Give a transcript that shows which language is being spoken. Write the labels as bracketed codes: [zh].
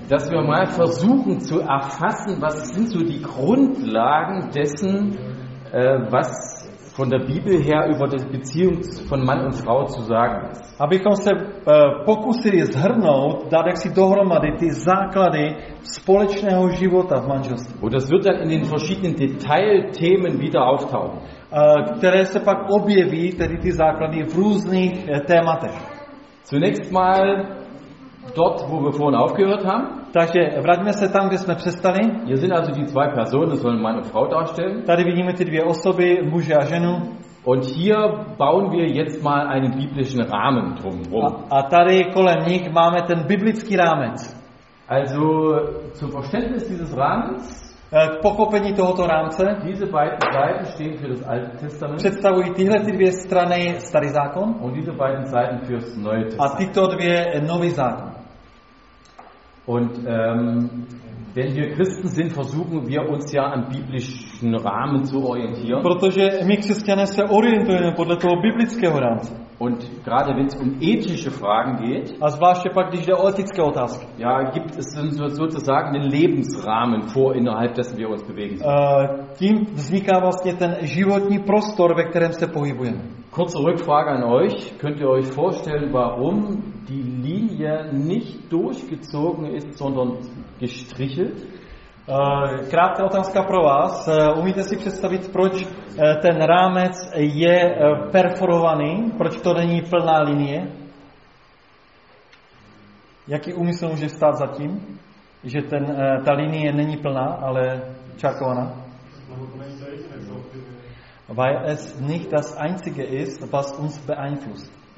[de] Dass wir mal versuchen zu erfassen, was sind so die Grundlagen dessen, was von der Bibel her über die Beziehung von Mann und Frau zu sagen ist. [cs] Abychom se pokusili zhrnout, dát jaksi dohromady ty základy společného života v manželství. [de] Und das wird dann in den verschiedenen Detailthemen wieder auftauchen. [cs] Které se pak objeví, tedy ty základy v různých tématech. [de] Zunächst mal dort, wo wir vorhin aufgehört haben. [cs] Takže vraťme se tam, kde jsme přestali. [de] Hier sind also die zwei Personen, sollen Mann und Frau darstellen. [cs] Tady vidíme ty dvě osoby, muže a ženu. [de] Und hier bauen wir jetzt mal einen biblischen Rahmen drumherum. [cs] A tady kolem nich máme ten biblický rámec. [de] Also zum Verständnis dieses Rahmens. [cs] K pochopení tohoto rámce. [de] Diese beiden Seiten stehen für das Alte Testament. [cs] Představují tyhle ty dvě strany Starý zákon. [de] Und diese beiden Seiten für das Neue Testament. [cs] A tyto dvě Nový zákon. [de] Und wenn wir Christen sind, versuchen wir uns ja am biblischen Rahmen zu orientieren. [cs] Protože my křesťané se orientujeme podle toho biblického rámce. [de] Und gerade wenn es um ethische Fragen geht, [cs] a zvláště pak, když jde o etické otázky, [de] ja, gibt es sozusagen den Lebensrahmen vor, innerhalb dessen wir uns bewegen. [cs] Tím vzniká vlastně ten životní prostor, ve kterém se pohybujeme. [de] Kurze Rückfrage an euch, könnt ihr euch vorstellen, warum die Linie nicht durchgezogen ist, sondern gestrichelt? [cs] Krátká otázka pro vás, umíte si představit, proč ten rámec je perforovaný, proč to není plná linie? Jaký úmysl může stát za tím, že ten, ta linie není plná, ale čárkovaná? [de] Weil es nicht das Einzige ist, was uns beeinflusst.